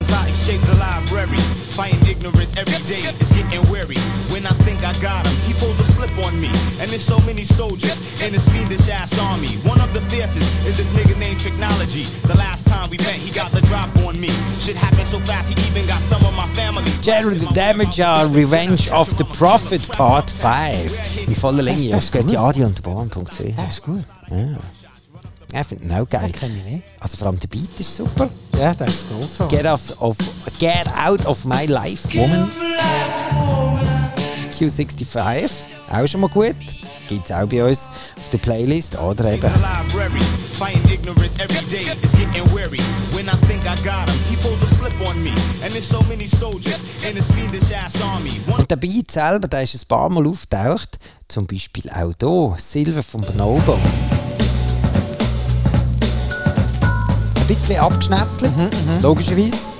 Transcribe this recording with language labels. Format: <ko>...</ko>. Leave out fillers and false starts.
<en>Escape the library, fighting ignorance every day is getting weary. When I think I got him, he pulls a slip on me. And there's so many soldiers in this fiendish ass army. One of the fiercest is this nigga named Technology. The last time we met, he got the drop on me. Shit happened so fast, he even got some of my family. Jerry the Damager, Revenge of the Prophet, Part 5.</en> <de>In voller Länge, auf Skatiadi und Born.ch.</de> <en>That's good.</en> <de>Ich finde ihn auch geil. Das kenne ich nicht. Also vor allem der Beat ist super. Ja, das ist großartig.</de> <en>Get out of my life, woman.</en> <de>Q65, auch schon mal gut. Gibt es auch bei uns auf der Playlist oder eben.</de> <en>Fighting ignorance every day is getting weary. When I think I got him, he pulls a slip on me. And there's so many soldiers in this fiendish ass army.</en> <de>Und der Beat selber, der ist ein paar Mal auftaucht. Zum Beispiel auch hier, Silver von Bonobo. Ein bisschen abgeschnetzelt, logischerweise.</de>